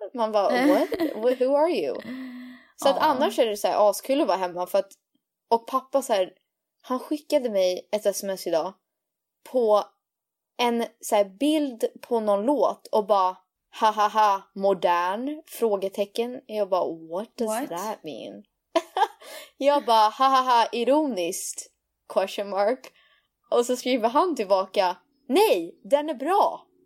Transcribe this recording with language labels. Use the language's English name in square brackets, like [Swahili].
[Swedish] Man bara, [English] what? Who are you? [Swedish] Så att annars är det så här askul att vara hemma. För att... Och pappa så här, han skickade mig ett sms idag på... en så här bild på någon låt och bara hahaha modern frågetecken. Jag bara [English] what does that mean? [Swedish] Jag bara hahaha ironiskt [English] question mark. [Swedish] Och så skriver han tillbaka, nej, den är bra.